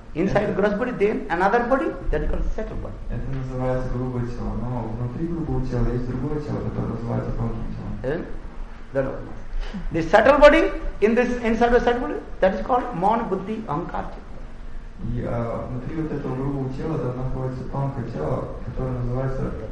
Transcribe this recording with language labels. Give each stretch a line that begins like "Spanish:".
English: Inside the gross body, then another body, that is called the subtle body.
Russian: Это называется грубое тело, но внутри грубого тела есть другое тело, которое называется тонким телом.
English: The subtle body, in this inside the subtle body, that is called man, buddhi, ahankar.
Russian: И внутри вот этого грубого тела там находится тонкое тело, которое называется